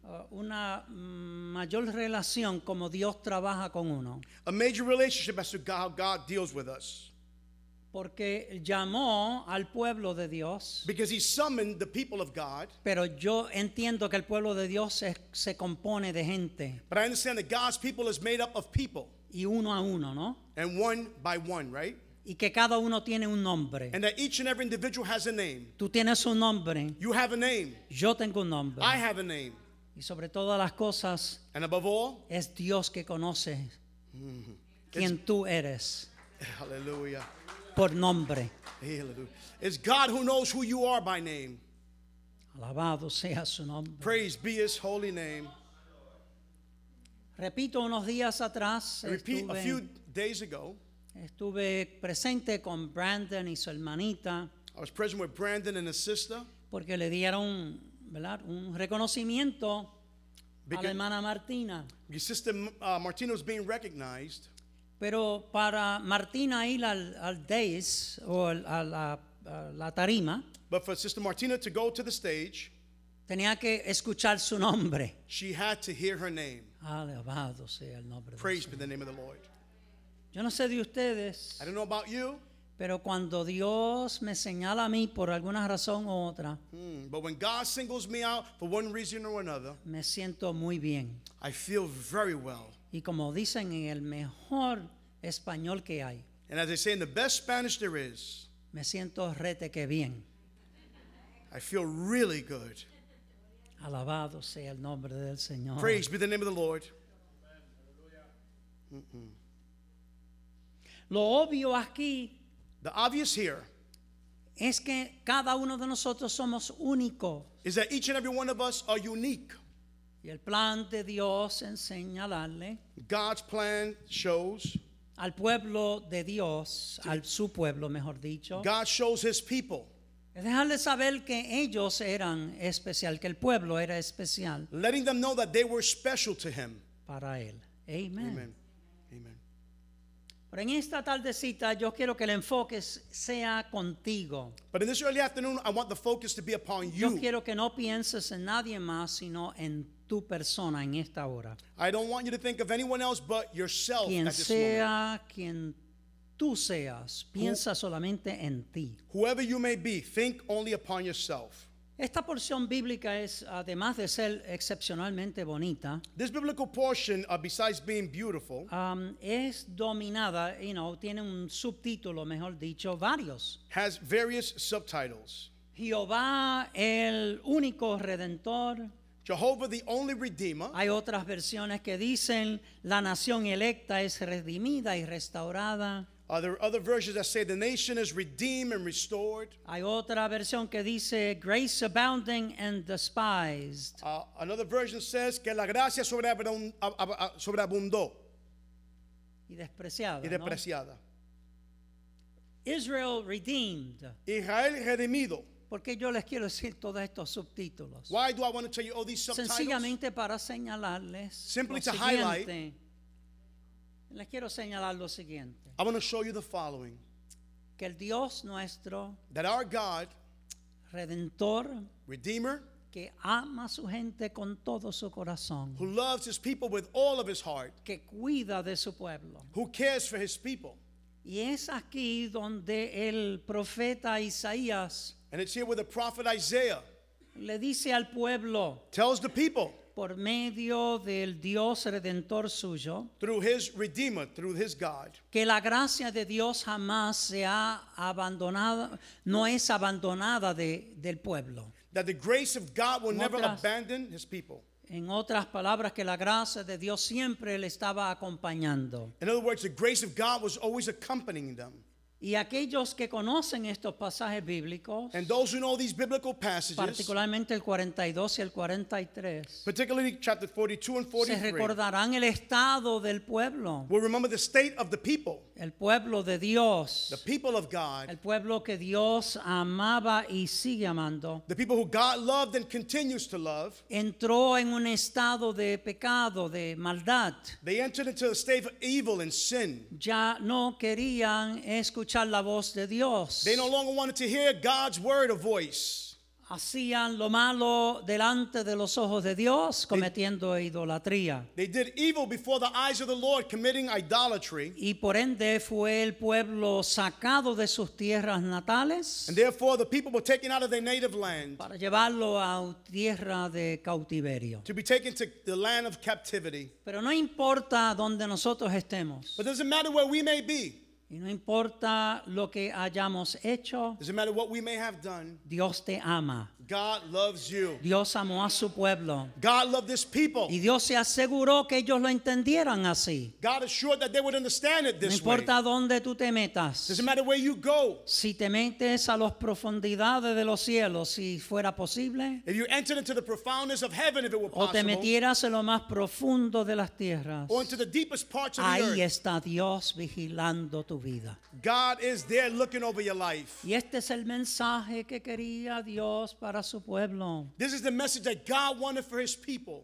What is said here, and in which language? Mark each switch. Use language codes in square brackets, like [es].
[es] una mayor relación como Dios trabaja con uno, [en] a major relationship as to how God deals with us. [es] Porque llamó al pueblo de Dios. [en] Because he summoned the people of God. [es] Pero yo entiendo que el pueblo de Dios se compone de gente. [en] But I understand that God's people is made up of people. [es] Y uno a uno, ¿no? [en] And one by one, right? [es] Y que cada uno tiene un nombre. [en] And that each and every individual has a name. [es] Tú tienes un nombre. [en] You have a name. [es] Yo tengo un nombre. [en] I have a name. [es] Y sobre todas las cosas, [en] and above all, [es] es Dios que conoce quién tú eres. [en] Hallelujah. [es] Por nombre. [en] It's God who knows who you are by name. [es] Alabado sea su nombre. [en] Praise be his holy name. [es] Repito, unos días atrás, [en] repeat, [es] estuve, [en] a few days ago, [es] estuve presente con Brandon y su hermanita. [en] I was present with Brandon and his sister. [es] Porque le dieron, ¿verdad?, un reconocimiento a la hermana Martina. [en] Your sister Martina was being recognized. [es] Pero para Martina ir al dais o a la tarima, [en] but for Sister Martina to go to the stage, [es] tenía que escuchar su nombre. [en] She had to hear her name. [es] Alabado sea el nombre. [en] Praise be the name of the Lord. [es] Yo no sé de ustedes. [en] I don't know about you. [es] Pero cuando Dios me señala a mí por alguna razón u otra, [en] but when God singles me out for one reason or another, [es] me siento muy bien. [en] I feel very well. [es] Y como dicen en el mejor español que hay, [en] and as they say in the best Spanish there is, [es] me siento rete que bien. [en] I feel really good. [es] Alabado sea el nombre del Señor. [en] Praise be the name of the Lord. [es] Lo obvio aquí, [en] the obvious here, [es] es que cada uno de nosotros somos único. [en] Is that each and every one of us are unique. [es] Y el plan de Dios en señalarle, [en] God's plan shows, [es] al pueblo de Dios, al su pueblo, mejor dicho, [en] God shows his people, [es] es dejarle saber que ellos eran especial, que el pueblo era especial, [en] letting them know that they were special to him, [es] para él. Amen. [en] Amen. Amen. [es] Pero en esta tardecita yo quiero que el enfoque sea contigo. [en] But in this early afternoon I want the focus to be upon you. [es] Yo quiero que no pienses en nadie más sino en tu persona en esta hora. [en] I don't want you to think of anyone else but yourself. [es] Quien [en] at this [es] sea [en] moment. [es] Quien tú seas, piensa solamente en ti. [en] Whoever you may be, think only upon yourself. [es] Esta porción bíblica es, además de ser excepcionalmente bonita, [en] this biblical portion, besides being beautiful, [es] es dominada, [en] you know, [es] tiene un subtítulo, mejor dicho, varios. [en] Has various subtitles. [es] Jehová, el único redentor. [en] Jehovah, the only redeemer. [es] Hay otras versiones que dicen, la nación electa es redimida y restaurada. [en] There are other versions that say the nation is redeemed and restored. [es] Hay otra versión que dice [en] grace abounding and despised. Another version says [es] que la gracia sobreabundó. Y despreciada. Y despreciada. [en] Israel redeemed. [es] Israel redimido. ¿Por qué yo les quiero decir todos estos subtítulos? [en] Why do I want to tell you all these subtitles? [es] Sencillamente para señalarles. [en] Simply to [es] siguiente. [en] Highlight. [es] Les quiero señalar lo siguiente. [en] I want to show you the following. [es] Que el Dios nuestro, [en] that our God, [es] Redentor, [en] Redeemer, [es] que ama su gente con todo su corazón, [en] who loves his people with all of his heart, [es] que cuida de su pueblo, [en] who cares for his people. [es] Y es aquí donde el profeta Isaías, [en] and it's here where the prophet Isaiah, [es] le dice al pueblo, [en] tells the people, [es] por medio del Dios Redentor suyo, [en] through his Redeemer, through his God, [es] que la gracia de Dios jamás se ha abandonado, no es abandonada del pueblo. [en] That the grace of God will never abandon his people. [es] En otras palabras, que la gracia de Dios siempre le estaba acompañando. [en] In other words, the grace of God was always accompanying them. [es] Y aquellos que conocen estos pasajes bíblicos, [en] and those who know these biblical passages, [es] particularmente el 42 y el 43, [en] particularly chapter 42 and 43, [es] se recordarán el estado del pueblo, [en] will remember the state of the people, [es] el pueblo de Dios, [en] the people of God, [es] el pueblo que Dios amaba y sigue amando, [en] the people who God loved and continues to love, [es] entró en un estado de pecado, de maldad. [en] They entered into a state of evil and sin. [es] Ya no querían escuchar la voz de Dios. [en] They no longer wanted to hear God's word or voice. [es] Hacían lo malo delante de los ojos de Dios, cometiendo idolatría. [en] They did evil before the eyes of the Lord, committing idolatry. [es] Y por ende fue el pueblo sacado de sus tierras natales. [en] And therefore the people were taken out of their native land. [es] Para llevarlo a tierra de cautiverio. [en] To be taken to the land of captivity. [es] Pero no importa donde nosotros estemos. [en] But doesn't matter where we may be. [es] Y no importa lo que hayamos hecho. [en] Doesn't matter what we may have done. [es] Dios te ama. [en] God loves you. [es] Dios amó a su pueblo. [en] God loved this people. [es] Y Dios se aseguró que ellos lo entendieran así. [en] God assured that they would understand it this way. [es] No importa dónde tú te metas. [en] Doesn't matter where you go. [es] Si te metes a las profundidades de los cielos, si fuera posible. [en] If you entered into the profoundness of heaven, if it were possible. [es] O te metieras en lo más profundo de las tierras. [en] Or into the deepest parts of the earth. [es] Ahí está Dios vigilando tu vida. [en] God is there looking over your life. [es] Y este es el mensaje que quería Dios para a su pueblo. [en] This is the message that God wanted for his people.